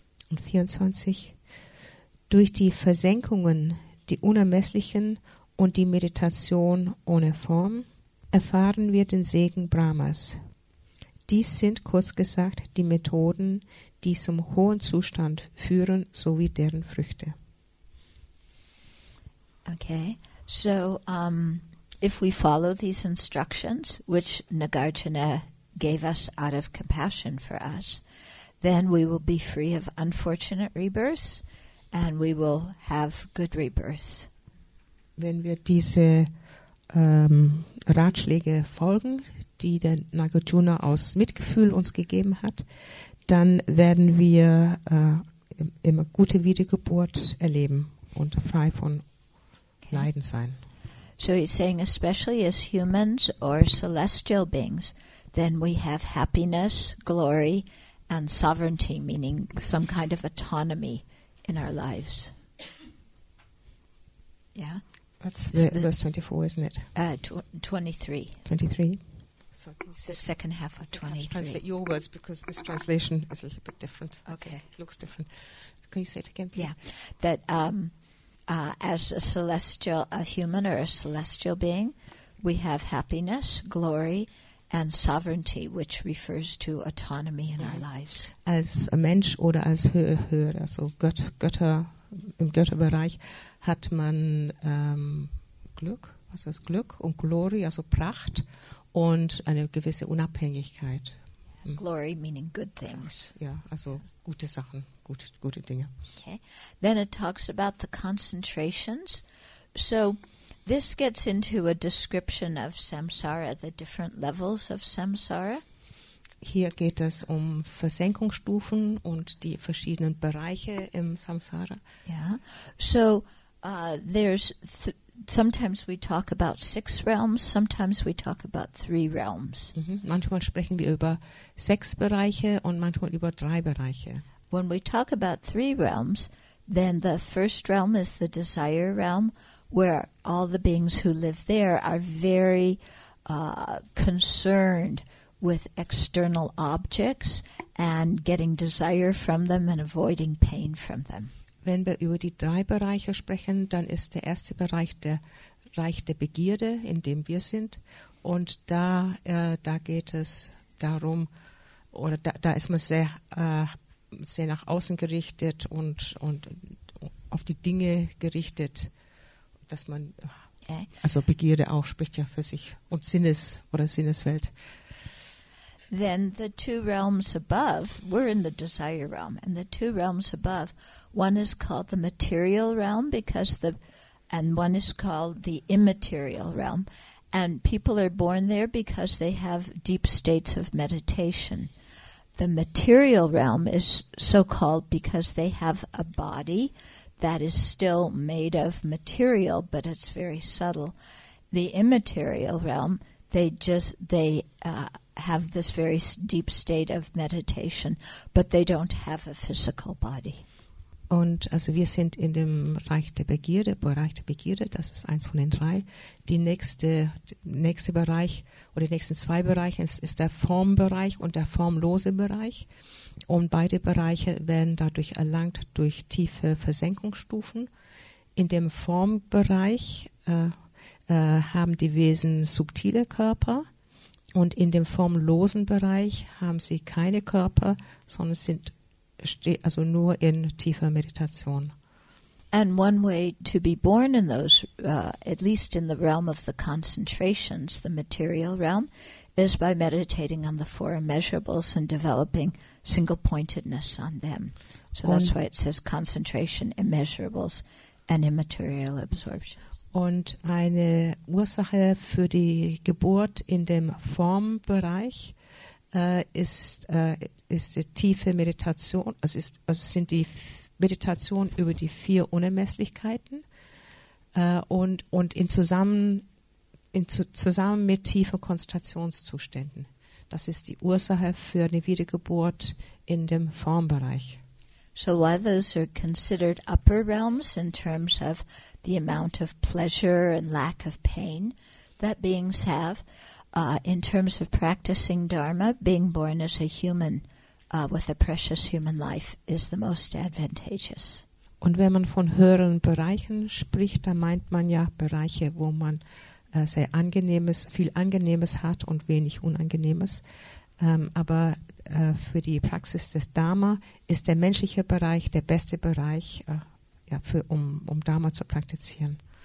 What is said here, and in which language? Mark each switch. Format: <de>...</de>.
<de>Und 24. Durch die Versenkungen, die Unermesslichen und die Meditation ohne Form erfahren wir den Segen Brahmas. Dies sind kurz gesagt die Methoden, die zum hohen Zustand führen, sowie deren Früchte. Okay.</de> <en>So, if we follow these instructions, which Nagarjuna gave us out of compassion for us, then we will be free of unfortunate rebirths, and we will have good rebirths.</en> <de>Wenn wir diese Ratschläge folgen, die der Nagarjuna aus Mitgefühl uns gegeben hat, dann werden wir immer gute Wiedergeburt erleben und frei von Leiden sein.</de> <en>So he's saying, especially as humans or celestial beings, then we have happiness, glory, and sovereignty, meaning some kind of autonomy in our lives. Yeah? That's the verse 24, isn't it? 23. So the second half of 23. Translate your words, because this translation is a little bit different. Okay. It looks different. Can you say it again, please? Yeah. That... as a celestial, a human or a celestial being, we have happiness, glory, and sovereignty, which refers to autonomy in our lives.</en> <de>Als Mensch oder als höher, also Götter, im Götterbereich, hat man Glück, was heißt Glück und Glory, also Pracht und eine gewisse Unabhängigkeit.</de> <en>Glory meaning good things.</en> <de>Ja, also gute Sachen, gute Dinge.</de> <en>Okay. Then it talks about the concentrations. So this gets into a description of samsara, the different levels of samsara.</en> <de>Hier geht es um Versenkungsstufen und die verschiedenen Bereiche im Samsara.</de> <en>Yeah. So sometimes we talk about six realms, sometimes we talk about three realms. Mm-hmm.</en> <de>Manchmal sprechen wir über sechs Bereiche und manchmal über drei Bereiche.</de> <en>When we talk about three realms, then the first realm is the desire realm, where all the beings who live there are very concerned with external objects and getting desire from them and avoiding pain from them.</en> <de>Wenn wir über die drei Bereiche sprechen, dann ist der erste Bereich der Reich der Begierde, in dem wir sind. Und da geht es darum, oder da ist man sehr, sehr nach außen gerichtet und auf die Dinge gerichtet, dass man, also Begierde auch spricht ja für sich, und Sinnes oder Sinneswelt.</de> <en>Then the two realms above, we're in the desire realm, and the two realms above, one is called the material realm and one is called the immaterial realm, and people are born there because they have deep states of meditation. The material realm is so called because they have a body that is still made of material, but it's very subtle. The immaterial realm, they have this very deep state of meditation, but they don't have a physical body.</en> <de>Und also wir sind in dem Reich der Begierde, das ist eins von den drei. Die nächste Bereich oder die nächsten zwei Bereiche ist der Formbereich und der formlose Bereich. Und beide Bereiche werden dadurch erlangt durch tiefe Versenkungsstufen. In dem Formbereich haben die Wesen subtile Körper. Und in dem formlosen Bereich haben sie keine Körper, sondern sind also nur in tiefer Meditation.</de> <en>And one way to be born in those, at least in the realm of the concentrations, the material realm, is by meditating on the four immeasurables and developing single-pointedness on them. So that's why it says concentration, immeasurables, and immaterial absorption.</en> <de>Und eine Ursache für die Geburt in dem Formbereich ist die tiefe Meditation, sind die Meditation über die vier Unermesslichkeiten und zusammen mit tiefen Konzentrationszuständen. Das ist die Ursache für eine Wiedergeburt in dem Formbereich.</de> <en>So while those are considered upper realms in terms of the amount of pleasure and lack of pain that beings have, in terms of practicing Dharma, being born as a human with a precious human life is the most advantageous.</en> <de>Und wenn man von höheren Bereichen spricht, dann meint man ja Bereiche, wo man sehr Angenehmes, viel Angenehmes hat und wenig Unangenehmes. Aber für die Praxis des Dharma ist der menschliche Bereich der beste Bereich, um Dharma zu praktizieren.</de>